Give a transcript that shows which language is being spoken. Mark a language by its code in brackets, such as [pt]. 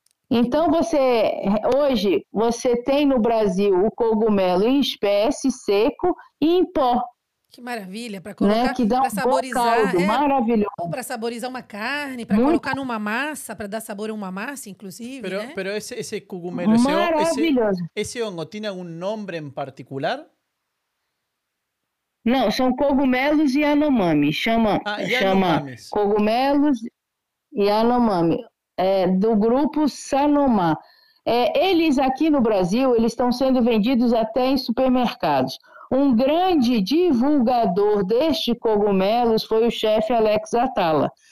[pt] Então, hoje você tem no Brasil o cogumelo em espécie, seco e em pó. Que maravilha, para colocar, né? Que dá pra saborizar. Um caldo, maravilhoso. Ou para saborizar uma carne, para colocar numa massa, para dar sabor a uma massa, inclusive. [es] Pero, [pt] né? [es] Pero ese cogumelo, ese hongo, ¿tiene algún nombre en particular? [pt] Não, são cogumelos Yanomami. Chama cogumelos Yanomami. É, do grupo Sanomá. Eles aqui no Brasil, eles estão sendo vendidos até em supermercados. Um grande divulgador deste cogumelos foi o chefe Alex Atala.